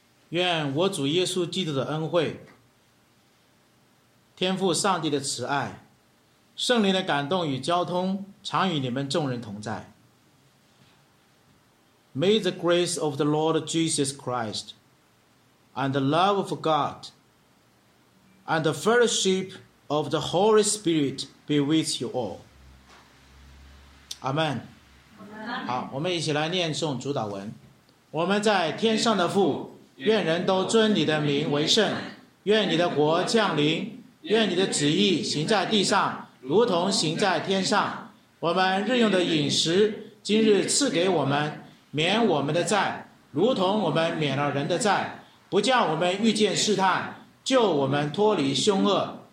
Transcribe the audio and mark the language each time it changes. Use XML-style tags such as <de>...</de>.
<zh>愿我主耶稣基督的恩惠，天父上帝的慈爱，圣灵的感动与交通，常与你们众人同在。</zh> <en>May the grace of the Lord Jesus Christ and the love of God and the fellowship of the Holy Spirit be with you all. Amen.</en> <zh>好，我们一起来念诵主祷文。我们在天上的父，愿人都尊你的名为圣，愿你的国降临，愿你的旨意行在地上，如同行在天上。我们日用的饮食，今日赐给我们，免我们的债，如同我们免了人的债，不叫我们遇见试探，救我们脱离凶恶。</zh>